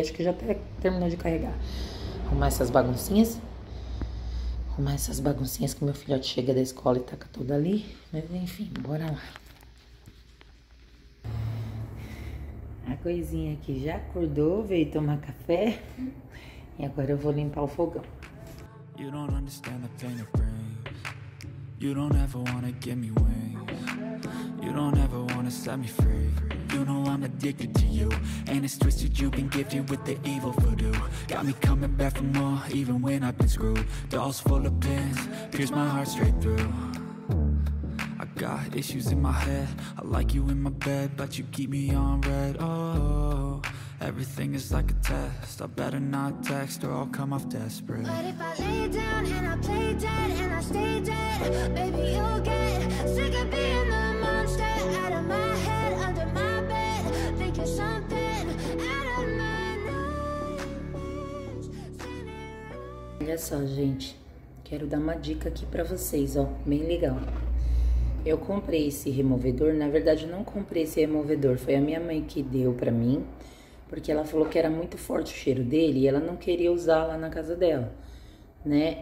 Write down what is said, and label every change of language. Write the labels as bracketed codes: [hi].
[pt] Acho que já até terminou de carregar. Arrumar essas baguncinhas. Arrumar essas baguncinhas que meu filhote chega da escola e taca tudo ali. Mas enfim, bora lá. A coisinha aqui já acordou, veio tomar café. E agora eu vou limpar o fogão. [en] You don't understand the pain it brings. You don't ever wanna give me wings. You don't ever wanna set me free. You know I'm addicted to you. And it's twisted, you've been gifted with the evil voodoo. Got me coming back for more, even when I've been screwed. Dolls full of pins, pierce my heart straight through. Got issues in my head. I like you in my bed, but you keep me on red. Oh, everything is like a test. I better not text or I'll come off desperate. But if I lay down and I play dead and I stay dead, baby, you'll get sick of being the monster. Out of my head, under my bed, think you're something out of my nightmares. [pt] Olha só, gente, quero dar uma dica aqui pra vocês, ó, bem legal. Eu comprei esse removedor, na verdade eu não comprei esse removedor, foi a minha mãe que deu pra mim, porque ela falou que era muito forte o cheiro dele e ela não queria usar lá na casa dela, né?